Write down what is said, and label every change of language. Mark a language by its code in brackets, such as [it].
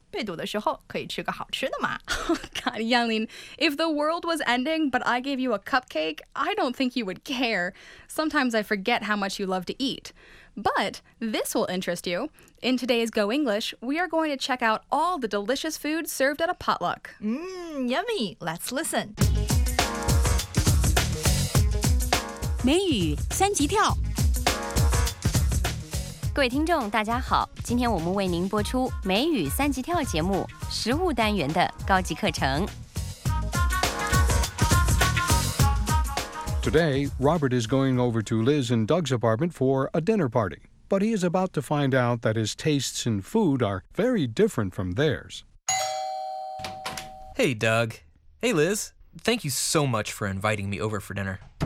[zh] 不过我已经习惯了。现在呢，我就会买各种好吃的早餐，被堵的时候可以吃个好吃的嘛。 [en] God, Yanlin, if the world was ending but I gave you a cupcake, I don't think you would care. Sometimes I forget how much you love to eat. But this will interest you. In today's Go English, we are going to check out all the delicious food served at a potluck. Mmm, yummy! Let's listen. [zh] 美语三级跳。各位听众，大家好，今天我们为您播出美语三级跳节目食物单元的高级课程。 [en] Today, Robert is going over to Liz and Doug's apartment for a dinner party, but he is about to find out that his tastes in food are very different from theirs. Hey, Doug. Hey, Liz. Thank you so much for inviting me over for dinner.